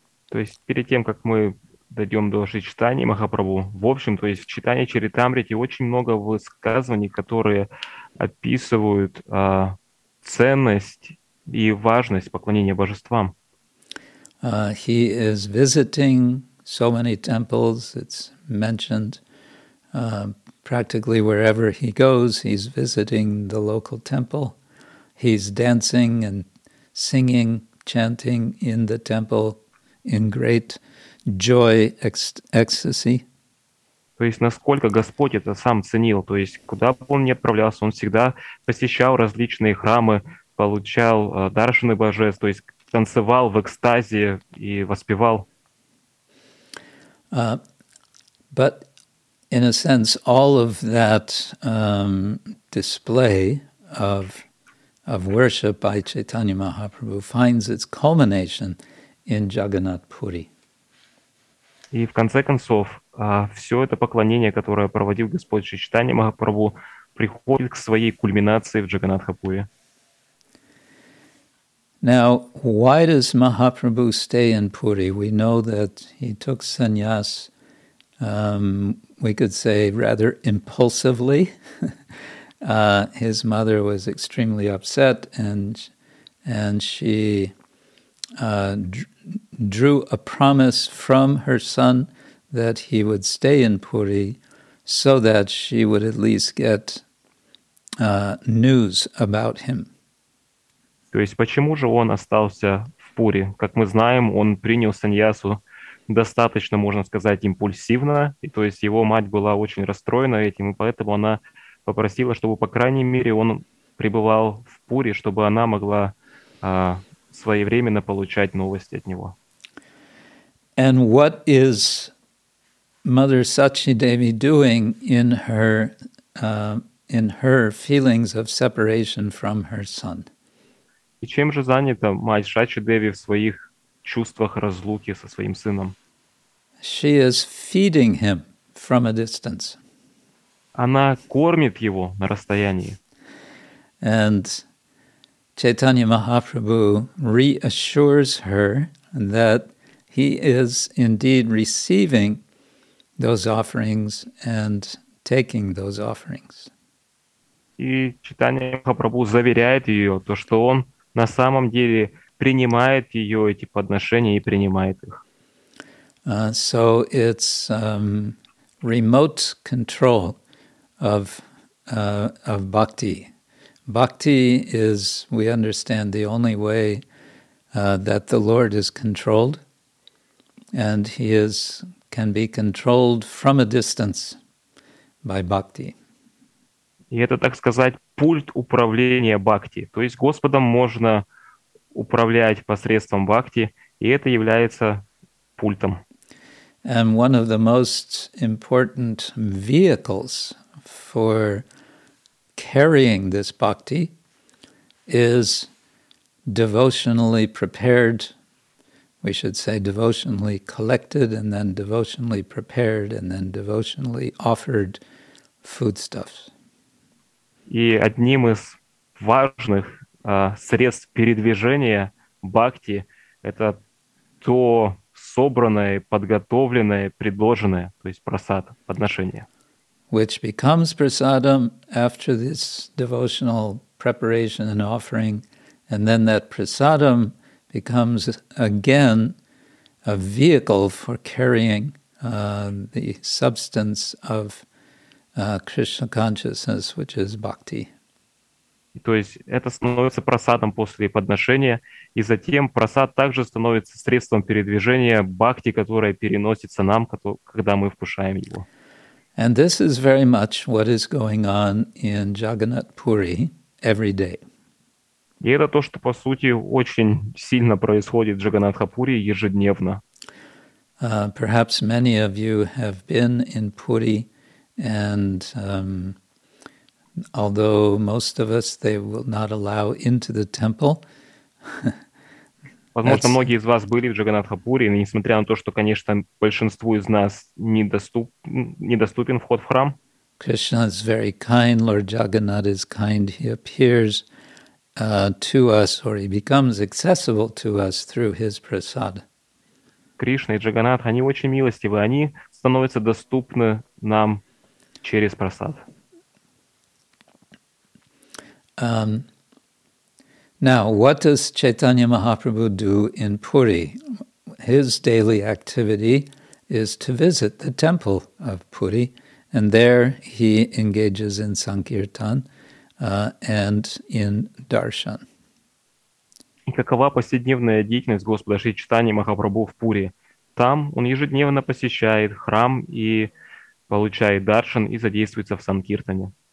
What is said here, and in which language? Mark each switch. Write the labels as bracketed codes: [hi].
[ru] То есть перед тем, как мы дойдем до Шри Чайтаньи Махапрабху, в общем, то есть в Чайтанье Чаритамрите очень много высказываний, которые описывают ценность и важность поклонения божествам. [en] He is visiting so many temples. It's mentioned practically wherever he goes, he's visiting the local temple. He's dancing and singing, chanting in the temple in great joy, ecstasy. [ru] То есть насколько Господь это сам ценил, то есть куда бы он ни отправлялся, он всегда посещал различные храмы, получал даршины божеств, то есть танцевал в экстазе и воспевал. [en] But in a sense, all of that display of worship by Chaitanya Mahaprabhu finds its culmination in Jagannath Puri. [ru] И в конце концов, все это поклонение, которое проводил Господь Шри Чайтанья Махапрабху, приходит к своей кульминации в Джаганнатхапуре. [en] Now, why does Mahaprabhu stay in Puri? We know that he took sannyas, we could say, rather impulsively. His mother was extremely upset, and she drew a promise from her son that he would stay in Puri so that she would at least get news about him. [ru] То есть почему же он остался в Пури? Как мы знаем, он принял саньясу достаточно, можно сказать, импульсивно. И то есть его мать была очень расстроена этим, и поэтому она попросила, чтобы, по крайней мере, он пребывал в Пури, чтобы она могла своевременно получать новости от него. [en] And what is Mother Sachidevi doing in her feelings of separation from her son? [ru] И чем же занята мать Шачидеви в своих чувствах разлуки со своим сыном? [en] She is feeding him from a distance. [ru] Она кормит его на расстоянии. [en] And Chaitanya Mahaprabhu reassures her that he is indeed receiving those offerings and taking those offerings. [ru] И Чайтанья Махапрабху заверяет ее, то, что он на самом деле принимает ее эти подношения и принимает их. [en] So it's remote control of bhakti. Bhakti is, we understand, the only way that the Lord is controlled, and he is can be controlled from a distance by bhakti. [ru] И это, так сказать, пульт управления бхакти. То есть Господом можно управлять посредством бхакти, и это является пультом. [en] And one of the most important vehicles for carrying this bhakti is devotionally prepared, we should say devotionally collected, and then devotionally prepared, and then devotionally offered foodstuffs. [ru] И одним из важных средств передвижения бхакти – это то собранное, подготовленное, предложенное, то есть прасад, подношение. [en] Which becomes prasadam after this devotional preparation and offering, and then that prasadam becomes again a vehicle for carrying the substance of Krishna consciousness, which is bhakti. [ru] То есть это становится прасадом после подношения, и затем прасад также становится средством передвижения бхакти, которое переносится нам, когда мы вкушаем его. [en] And this is very much what is going on in Jagannath Puri every day. [ru] И это то, что, по сути, очень сильно происходит в Джаганатхапури ежедневно. [en] Perhaps many of you have been in Puri. And although most of us, they will not allow into the temple. [ru] Возможно, многие из вас были в Джаганатхапури, несмотря на то, что, конечно, большинству из нас недоступен вход в храм. [en] Krishna is very kind. Lord Jagannath is kind. He appears to us, or he becomes accessible to us through his prasad. [ru] Кришна и Джаганат, они очень милостивы. Они становятся доступны нам через прасад. [en] Now, what does Chaitanya Mahaprabhu do in Puri? His daily activity is to visit the temple of Puri, and there he engages in sankirtan and in darshan. [ru] И какова повседневная деятельность Господа Шри Чайтаньи Махапрабху в Пури? Там он ежедневно посещает храм и получает даршан и задействуется в санкиртане.